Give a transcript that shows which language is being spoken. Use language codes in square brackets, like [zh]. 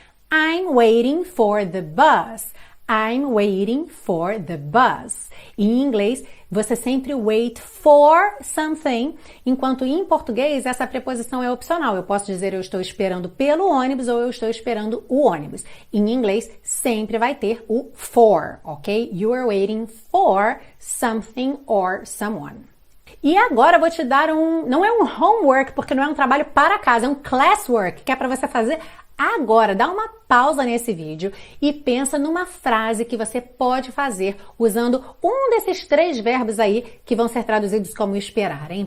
[en] I'm waiting for the bus. I'm waiting for the bus. [pt] Em inglês, você sempre [en] wait for something, [pt] enquanto em português essa preposição é opcional. Eu posso dizer eu estou esperando pelo ônibus ou eu estou esperando o ônibus. Em inglês, sempre vai ter o for, ok? [en] You are waiting for something or someone. [pt] E agora eu vou te dar um, não é um homework, porque não é um trabalho para casa, é um classwork, que é para você fazer agora. Dá uma pausa nesse vídeo e pensa numa frase que você pode fazer usando um desses três verbos aí que vão ser traduzidos como esperar, hein?